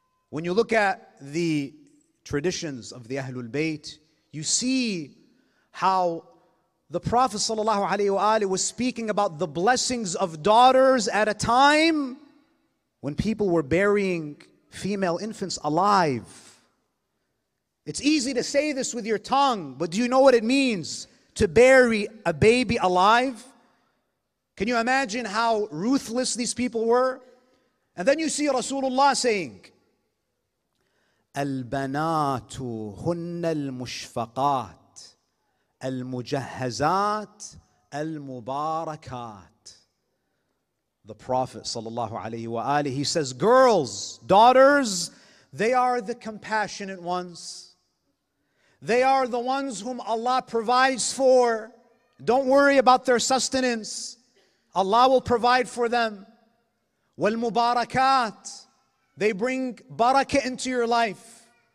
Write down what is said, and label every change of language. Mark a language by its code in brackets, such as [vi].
[en] When you look at the traditions of the Ahlul Bayt, you see how the Prophet sallallahu alaihi wa alihi was speaking about the blessings of daughters at a time when people were burying female infants alive. It's easy to say this with your tongue, but do you know what it means to bury a baby alive? Can you imagine how ruthless these people were? And then you see Rasulullah saying, [ar] البنات هن المشفقات المجهزات المباركات. [en] The Prophet sallallahu alayhi wa alihi, he says, girls, daughters, they are the compassionate ones. They are the ones whom Allah provides for. Don't worry about their sustenance. Allah will provide for them. والمباركات, they bring barakah into your life.